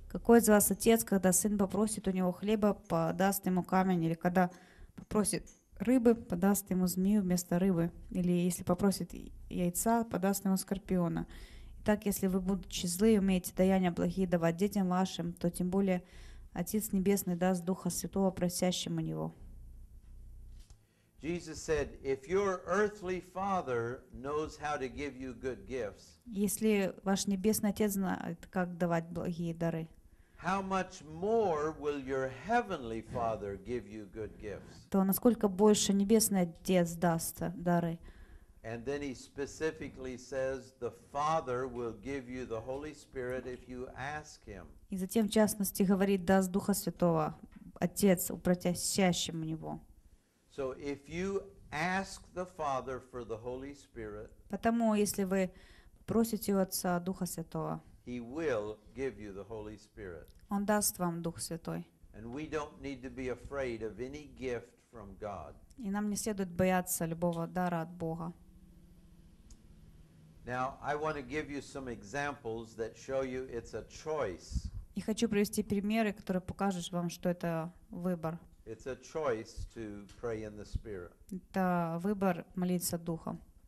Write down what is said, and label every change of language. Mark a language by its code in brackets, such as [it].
[ru] Какой из вас отец, когда сын попросит у него хлеба, подаст ему камень, или когда попросит рыбы, подаст ему змею вместо рыбы, или если попросит яйца, подаст ему скорпиона. Итак, если вы, будучи злы, умеете даяния благие давать детям вашим, то тем более Отец Небесный даст Духа Святого просящему Него. [en] Jesus said, if your earthly father knows how to give you good gifts, [ru] если ваш небесный отец знает, как давать благие дары, [en] how much more will your heavenly father give you good gifts? [ru] То насколько больше небесный отец даст дары. [en] And then he specifically says, the father will give you the Holy Spirit if you ask him. [ru] И затем в частности говорит, даст Духа Святого отец у просящему него. [en] So if you ask the Father for the Holy Spirit, [ru] потому если вы просите у Отца Духа Святого, [en] He will give you the Holy Spirit. [ru] Он даст вам Дух Святой. [en] And we don't need to be afraid of any gift from God. [ru] И нам не следует бояться любого дара от Бога. [en] Now I want to give you some examples that show you it's a choice. [ru] И хочу привести примеры, которые покажут вам, что это выбор. [en] It's a choice to pray in the Spirit. [ru] Это выбор молиться Духом.